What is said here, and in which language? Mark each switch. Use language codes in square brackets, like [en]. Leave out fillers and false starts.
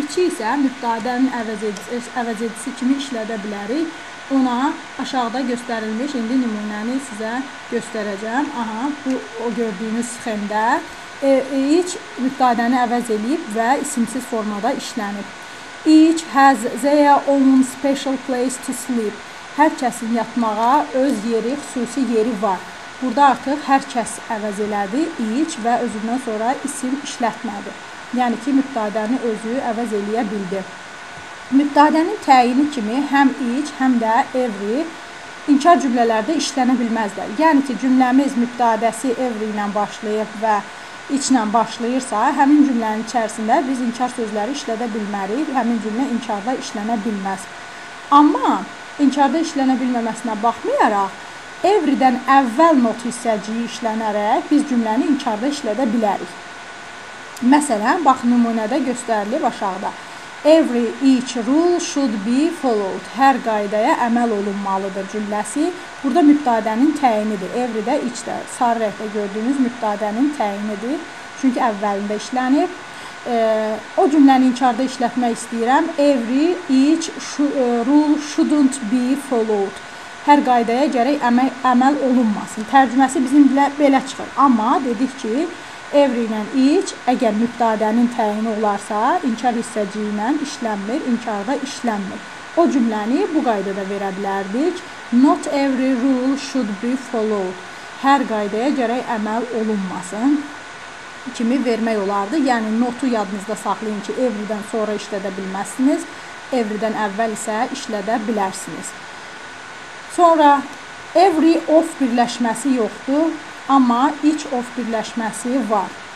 [az] İçi isə mübtədənin əvəz edicisi kimi işlədə bilərik. Ona aşağıda göstərilmiş, indi nümunəni sizə göstərəcəm. Aha, bu o gördüyünüz xəndə iç mübtədəni əvəz edib və isimsiz formada işlənib. [en] Each has their own special place to sleep. [az] Hər kəsin yatmağa öz yeri, xüsusi yeri var. Burada artıq hər kəs əvəz elədi, iç və özündən sonra isim işlətmədi. Yəni ki, mübtədəni özü əvəz eləyə bildi. Mübtədənin təyini kimi həm iç, həm də evri inkar cümlələrdə işlənə bilməzlər. Yəni ki, cümləmiz mübtədəsi evri ilə başlayıb və içlə başlayırsa, həmin cümlənin içərisində biz inkar sözləri işlədə bilmərik, həmin cümlə inkarda işlənə bilməz. Amma inkarda işlənə bilməməsinə baxmayaraq, evridən əvvəl not hissəciyi işlənərək biz cümləni inkarda işlədə bilərik. Məsələn, bax, nümunədə göstərilir aşağıda. [en] Every each rule should be followed. [az] Hər qaydaya əməl olunmalıdır cümləsi. Burada mübtədənin təyinidir. Evri də, iç də, sarı rəngdə gördüyünüz mübtədənin təyinidir. Çünki əvvəlində işlənib. O cümləni inkarda işlətmək istəyirəm. [en] Every each rule shouldn't be followed. [az] Hər qaydaya gərək əməl olunmasın. Tərcüməsi bizim dilə belə çıxır. Amma dedik ki, evri ilə iç, əgər mübtədənin təyini olarsa, inkar hissəciyi ilə işlənmir, inkarda işlənmir. O cümləni bu qaydada verə bilərdik. [en] Not every rule should be followed. [az] Hər qaydaya gərək əməl olunmasın kimi vermək olardı. Yəni, notu yadınızda saxlayın ki, evridən sonra işlədə bilməzsiniz. Evridən əvvəl isə işlədə bilərsiniz. Sonra every of birləşməsi yoxdur, amma each of birləşməsi var.